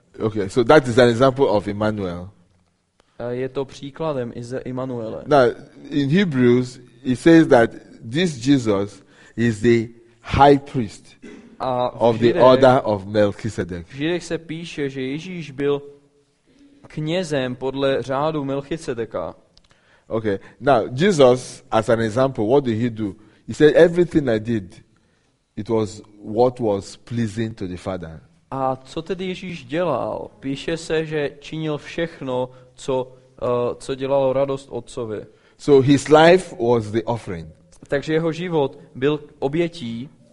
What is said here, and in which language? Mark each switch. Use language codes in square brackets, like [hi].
[en] Okay, so that is an example of Emmanuel. [cs] Je to příkladem z Immanuele. [en] Now, in Hebrews, it says that this Jesus is the high priest of the order of Melchizedek. [cs] V Židech se píše, že Ježíš byl knězem podle řádu Melchizedeka. [en] Okay. Now, Jesus, as an example, what did he do? He said, everything I did, it was what was pleasing to the Father. [cs] A co tedy Ježíš dělal? Píše se, že činil všechno, co dělalo radost Otcovi. [en] So his life was the offering. [cs] Takže jeho život byl obětí.